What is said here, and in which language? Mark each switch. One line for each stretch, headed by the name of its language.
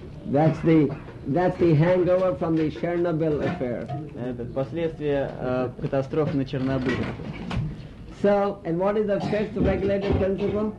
English: That's the hangover from the Chernobyl affair.
Russian: Последствия катастрофы на Чернобыле.
English: So, and what is the fifth regulative principle?